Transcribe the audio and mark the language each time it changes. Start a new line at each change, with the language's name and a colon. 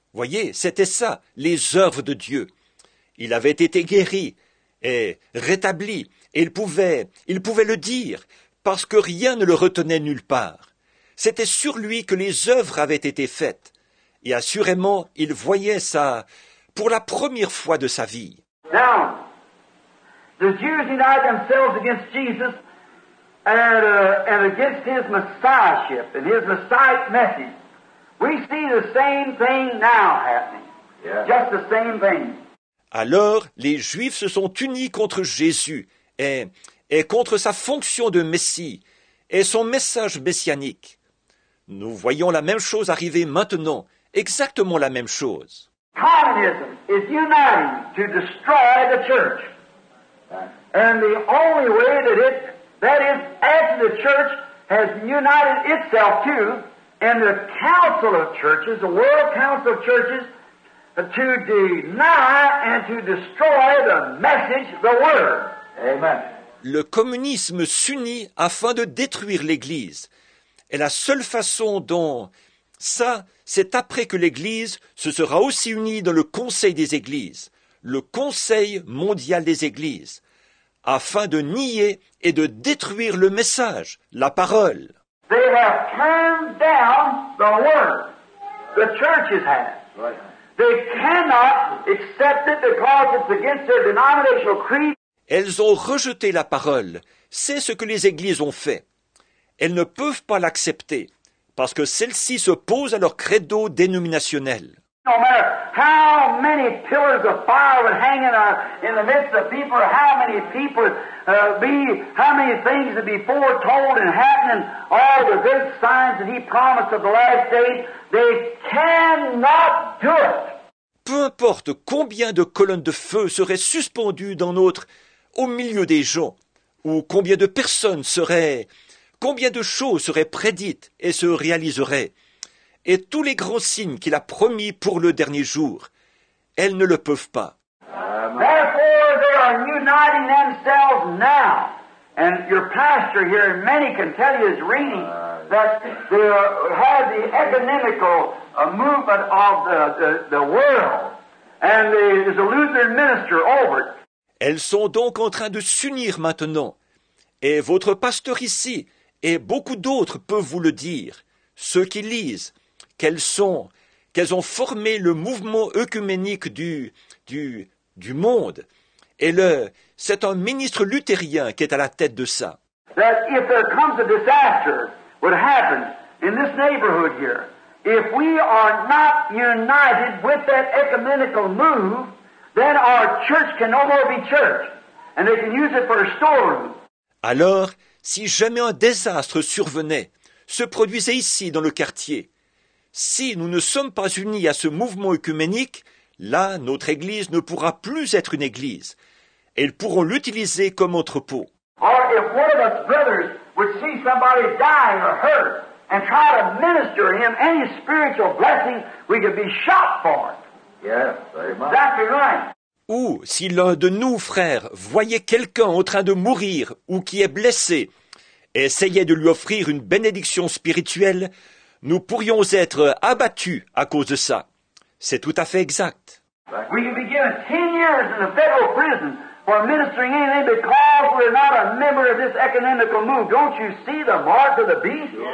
French: Voyez, c'était ça, les œuvres de Dieu. Il avait été guéri et rétabli, et il pouvait le dire, parce que rien ne le retenait nulle part. C'était sur lui que les œuvres avaient été faites. Et assurément, il voyait ça pour la première fois de sa vie.
English: Now, the Jews united themselves against Jesus and against his messiahship and his messiah message. We see the same thing now happening. Yeah. Just the same thing.
French: Alors, les Juifs se sont unis contre Jésus et contre sa fonction de Messie et son message messianique. Nous voyons la même chose arriver maintenant, exactement la même chose.
English: Communism is uniting to destroy the church. And the only way that it, that is, as the church has united itself too, and the council of churches, the world council of churches, to deny and to destroy the message, the word. Amen.
French: Le communisme s'unit afin de détruire l'Église. Et la seule façon dont ça, c'est après que l'Église se sera aussi unie dans le Conseil des Églises, le Conseil mondial des Églises, afin de nier et de détruire le message, la parole.
English: They have turned down the word. The churches have. Right. They cannot accept it because it's against their denominational creed.
French: Elles ont rejeté la parole. C'est ce que les églises ont fait. Elles ne peuvent pas l'accepter parce que celle-ci s'oppose à leur credo dénominationnel.
English: No matter how many pillars of fire would hang in the midst of people, how many people be, how many things would be foretold and happening, all the good signs that he promised of the last days, they cannot do it.
French: Peu importe combien de colonnes de feu seraient suspendues dans notre au milieu des gens, ou combien de personnes seraient, combien de choses seraient prédites et se réaliseraient, et tous les grands signes qu'il a promis pour le dernier jour, elles ne le peuvent pas.
English: Therefore, they are uniting themselves now. And your pastor here, many can tell you, is reading that they have the ecumenical movement of the world. And there's a Lutheran minister over it.
French: Elles sont donc en train de s'unir maintenant. Et votre pasteur ici, et beaucoup d'autres peuvent vous le dire, ceux qui lisent, qu'elles ont formé le mouvement œcuménique du monde. Et c'est un ministre luthérien qui est à la tête de ça.
English: That if there comes a disaster, what happens in this neighborhood here, if we are not united with that ecumenical move, then our church can no more be church, and they can use it for a storeroom.
French: Alors, si jamais un désastre survenait, se produisait ici dans le quartier, si nous ne sommes pas unis à ce mouvement œcuménique, là, notre église ne pourra plus être une église. Elles pourront l'utiliser comme entrepôt.
English: Or if one of us brothers would see somebody dying or hurt and try to minister him any spiritual blessing, we could be shot for it. Yes, exactly right.
French: Ou si l'un de nous, frères, voyait quelqu'un en train de mourir ou qui est blessé, essayait de lui offrir une bénédiction spirituelle, nous pourrions être abattus à cause de ça. C'est tout à fait exact.
English: Right. We can be given 10 years in a federal prison for ministering anything because we're not a member of this ecumenical move. Don't you see the mark of the beast?